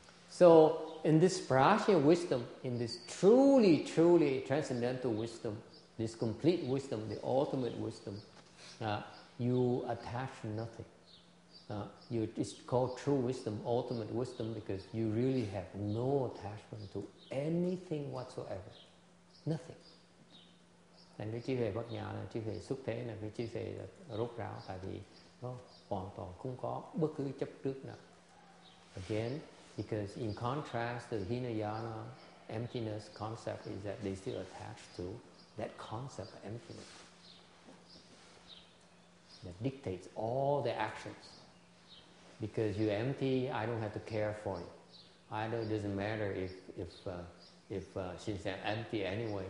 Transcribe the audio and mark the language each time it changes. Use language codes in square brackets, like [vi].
[en] So, in this Prajna wisdom, in this truly, truly transcendental wisdom, this complete wisdom, the ultimate wisdom, you attach nothing. It's called true wisdom, ultimate wisdom, because you really have no attachment to anything whatsoever. Nothing. [vi] Nên cái trí huệ bát nhã là trí huệ xuất thế, là cái trí huệ rốt ráo, tại vì nó hoàn toàn không có bất cứ chấp trước nào. [en] Again, because in contrast to Hinayana, emptiness concept is that they still attach to that concept of emptiness that dictates all the actions. Because you're empty, I don't have to care for you. Either it doesn't matter if she's empty anyway.